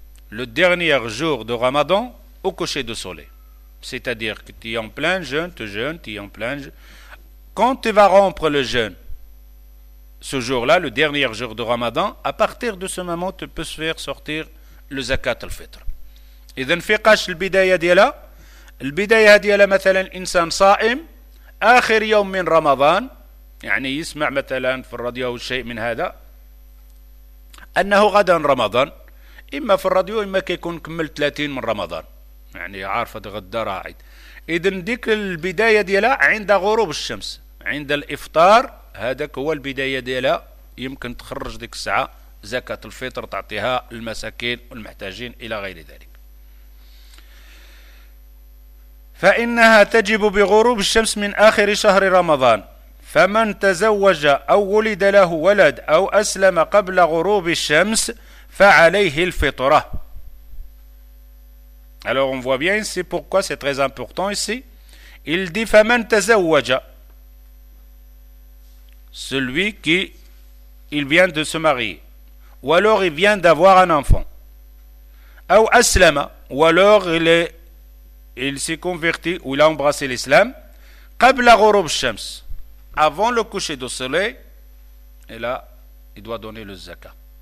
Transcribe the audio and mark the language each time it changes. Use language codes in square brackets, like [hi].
[fr] Le dernier jour de Ramadan au coucher du soleil. C'est-à-dire que tu es en plein jeûne, tu jeûnes, tu es en plein jeûne. Quand tu vas rompre le jeûne, ce jour-là, le dernier jour de Ramadan, à partir de ce moment, tu peux faire sortir le zakat al-fitr. [ar] إذن في قش البداية ديالها البداية ديالها مثلا إنسان صائم آخر يوم من رمضان يعني يسمع مثلا في الراديو أو شيء من هذا أنه غدا رمضان إما في الراديو إما كيكون كمل 30 من رمضان يعني عارفة غدا راعد إذن ديك البداية ديالها عند غروب الشمس عند الإفطار هذاك هو البداية ديالها يمكن تخرج ديك الساعة زكاة الفطر تعطيها المساكين والمحتاجين إلى غير ذلك فإنها تجب بغروب الشمس من آخر شهر رمضان فمن تزوج أو ولد له ولد أو أسلم قبل غروب الشمس فعليه الفطرة [fr] Alors on voit bien ici pourquoi c'est très important ici. Il dit [ar] فمن تزوج [fr] celui qui il vient de se marier, ou alors il vient d'avoir un enfant, ou aslama, ou alors il s'est converti ou il a embrassé l'islam, qabla ghurub shams, avant le coucher du soleil, et là il doit donner le zakat.